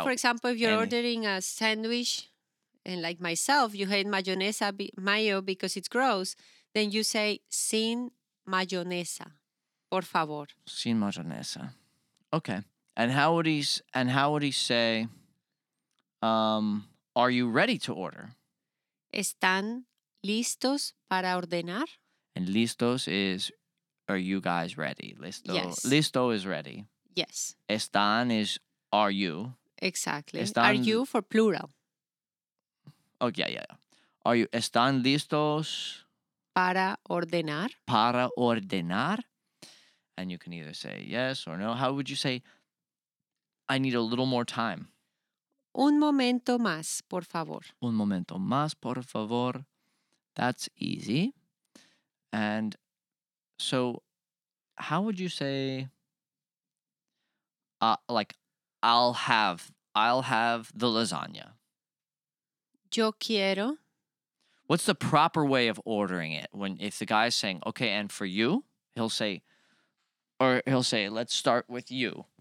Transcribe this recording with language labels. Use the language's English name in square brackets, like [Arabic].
[English] Yeah, for example, if you're ordering a sandwich, and like myself, you hate mayonesa mayo because it's gross, then you say [Spanish] sin mayonesa, por favor. Sin mayonesa. [English] Okay. And how would he say, are you ready to order? [Spanish] ¿Están listos para ordenar? [English] And listos is, are you guys ready? Listo. Yes. Listo is ready. Yes. Están is, are you? Exactly. Están, are you for plural. Oh, yeah, yeah. Are you, [Spanish] están listos? Para ordenar. Para ordenar. [English] And you can either say yes or no. How would you say, I need a little more time? [Spanish] Un momento más, por favor. Un momento más, por favor. [English] That's easy. And so, how would you say, like, I'll have the lasagna. [Spanish] Yo quiero. [English] What's the proper way of ordering it? When if the guy's saying, okay, and for you, he'll say, or he'll say, let's start with you.